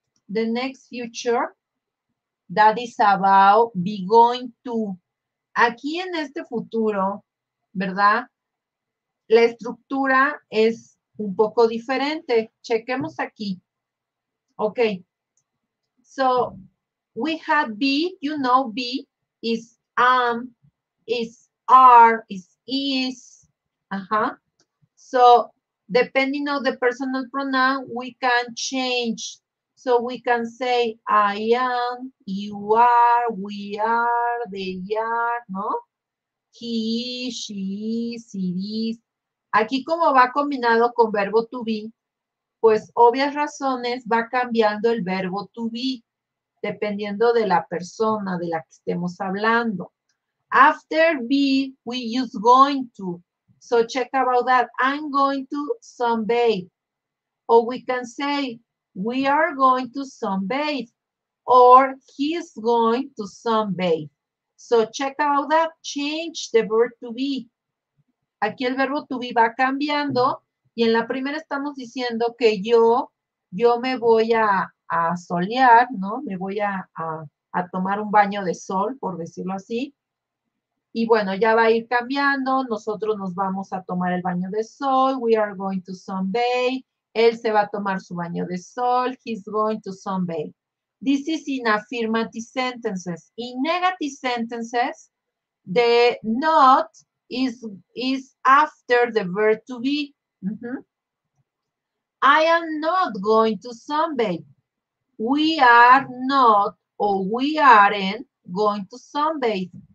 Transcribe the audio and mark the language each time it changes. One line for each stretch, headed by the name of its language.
English: The next future. That is about be going to.
Spanish: Aquí en este futuro, ¿verdad? La estructura es un poco diferente. Chequemos aquí. Ok. So,
English: we have be, you know, be is is are, is. Uh-huh. So depending on the personal pronoun, we can change. So we can say I am, you are, we are, they are, no? He is, she is, it is.
Spanish: Aquí como va combinado con verbo to be, pues obvias razones va cambiando el verbo to be dependiendo de la persona de la que estemos hablando.
English: After be, we use going to. So check about that. I'm going to sunbathe. Or we can say, we are going to sunbathe. Or he's going to sunbathe. So check about that. Change the verb to be.
Spanish: Aquí el verbo to be va cambiando. Y en la primera estamos diciendo que yo me voy a solear, ¿no? Me voy a tomar un baño de sol, por decirlo así. Y bueno, ya va a ir cambiando. Nosotros nos vamos a tomar el baño de sol.
English: We are going to sunbathe.
Spanish: Él se va a tomar su baño de sol.
English: He's going to sunbathe. This is in affirmative sentences. In negative sentences, the not is after the verb to be. Mm-hmm. I am not going to sunbathe. We are not or we aren't going to sunbathe.